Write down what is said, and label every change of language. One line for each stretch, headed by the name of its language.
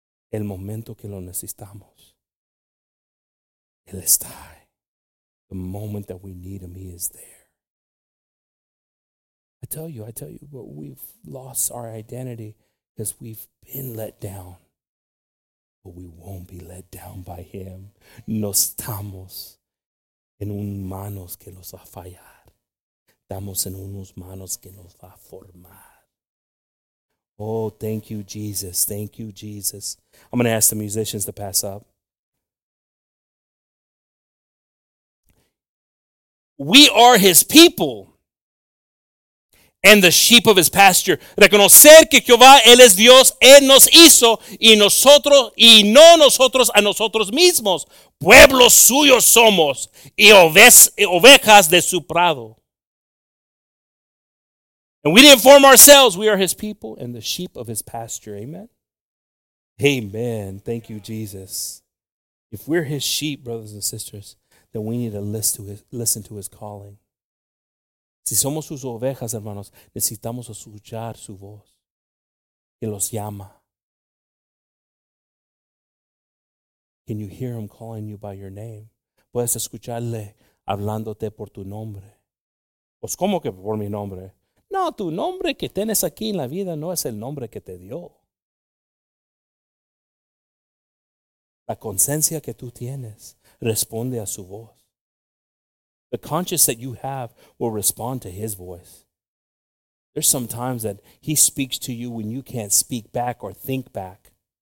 Spanish: El momento que lo necesitamos, Él está ahí.
English: The moment that we need Him, He is there. I tell you, but we've lost our identity because we've been let down. But we won't be let down by Him.
Spanish: No estamos en un manos que nos va a fallar. Estamos en unos manos que nos va a formar.
English: Oh, thank you, Jesus. Thank you, Jesus. I'm going to ask the musicians to pass up. We are His people and the sheep of His pasture.
Spanish: Reconocer que Jehová, Él es Dios, Él nos hizo, y nosotros, y no nosotros a nosotros mismos. Pueblo suyo somos, y ovejas de su prado.
English: And we didn't form ourselves, we are His people, and the sheep of His pasture. Amen? Amen. Thank you, Jesus. If we're His sheep, brothers and sisters, then we need to listen to his calling.
Spanish: Si somos sus ovejas, hermanos, necesitamos escuchar su voz que los llama.
English: Can you hear Him calling you by your name?
Spanish: Puedes escucharle hablándote por tu nombre. Pues, ¿cómo que por mi nombre? No, tu nombre que tienes aquí en la vida no es el nombre que te dio. La conciencia que tú tienes responde a su voz.
English: The conscience that you have will respond to his voice. There's some times that he speaks to you when you can't speak back or think back.